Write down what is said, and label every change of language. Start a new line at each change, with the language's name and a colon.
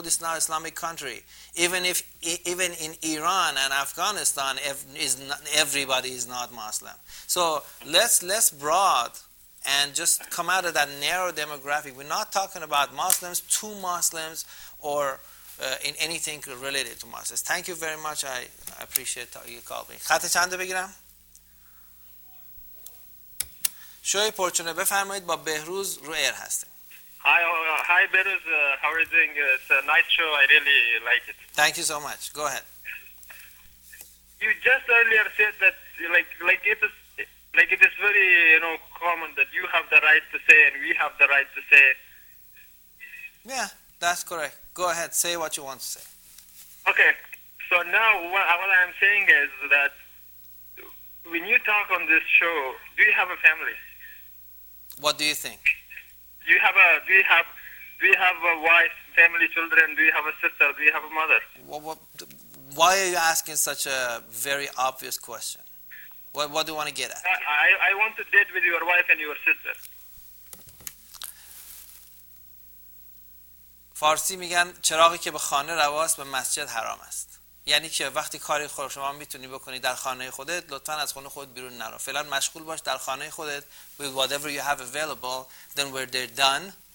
English: This is not an Islamic country. Even in Iran and Afghanistan, everybody is not Muslim. So let's broad and just come out of that narrow demographic. We're not talking about Muslims, to Muslims, or in anything related to Muslims. Thank you very much. I appreciate you calling.
Persian: خط چند بگیرم؟ شوی پرچونه بفرمایید با بهروز رو ایر هستیم.
English: Hi Behruz, how are you doing? It's a nice show, I really like it. Thank you so much, go ahead. You just earlier said that like it is very, you know, common that you have the right to say and we have the right to say. Yeah, that's correct. Go ahead, say what you want to say. Okay, so now what I'm saying is that when you talk on this show, do you have a family? What do you think? Do you have a wife, family, children? Do you have a sister? Do you have a mother? Why are you asking such a very obvious question? What do you want to get at? I want to date with your wife and your sister.
Persian: فارسی میگن چراغی که به خانه رواست به مسجد حرام است. یعنی که وقتی کاری خود شما میتونی بکنی در خانه خودت، لطفاً از خانه خود بیرون نرو. فعلا مشغول باش در خانه خودت
English: with whatever you have available, then we're there done